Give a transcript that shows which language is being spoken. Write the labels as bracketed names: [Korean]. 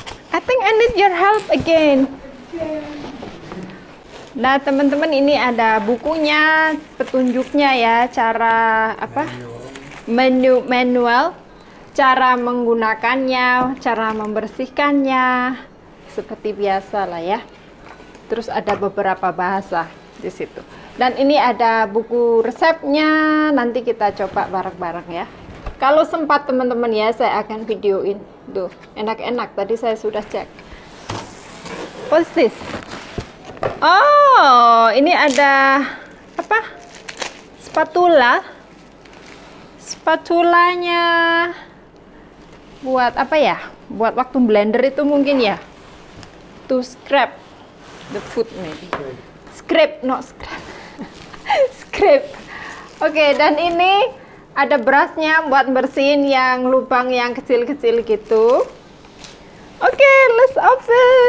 [English] I think I need your help again. [Indonesian] Nah, teman-teman, ini ada bukunya, petunjuknya ya, cara apa? Manual, cara menggunakannya, cara membersihkannya, seperti biasa lah ya. Terus ada beberapa bahasa di situ. Dan ini ada buku resepnya, nanti kita coba bareng-bareng ya. Kalau sempat teman-teman ya, saya akan videoin. Tuh, enak-enak. Tadi saya sudah cek. [English] What's this? [Indonesian] Oh, ini ada apa? Spatula. Spatulanya buat apa ya? Buat waktu blender itu mungkin ya. [English] To scrape the food maybe. Scrape, not scrap. Scrape. [Indonesian] Oke, dan ini ada brushnya buat bersihin yang lubang yang kecil-kecil gitu. Oke, [English] let's open.